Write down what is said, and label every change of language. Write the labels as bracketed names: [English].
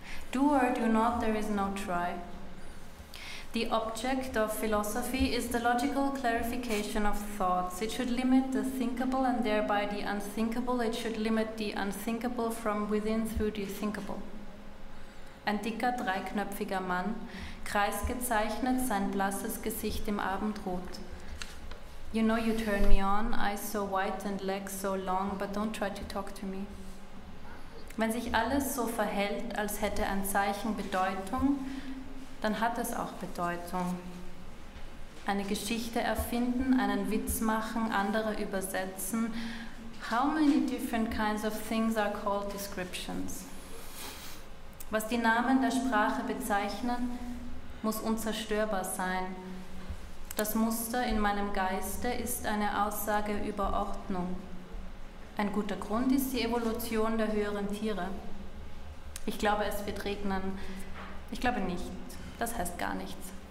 [English] Do or do not, there is no try. The object of philosophy is the logical clarification of thoughts. It should limit the thinkable and thereby the unthinkable. It should limit the unthinkable from within through the thinkable. [German] Ein dicker, dreiknöpfiger Mann, kreisgezeichnet, sein blasses Gesicht im Abendrot. [English] You know you turn me on, eyes so white and legs so long, but don't try to talk to me. [German] Wenn sich alles so verhält, als hätte ein Zeichen Bedeutung, dann hat es auch Bedeutung. Eine Geschichte erfinden, einen Witz machen, andere übersetzen. [English] How many different kinds of things are called descriptions? [German] Was die Namen der Sprache bezeichnen, muss unzerstörbar sein. Das Muster in meinem Geiste ist eine Aussage über Ordnung. Ein guter Grund ist die Evolution der höheren Tiere. Ich glaube, es wird regnen. Ich glaube nicht. Das heißt gar nichts.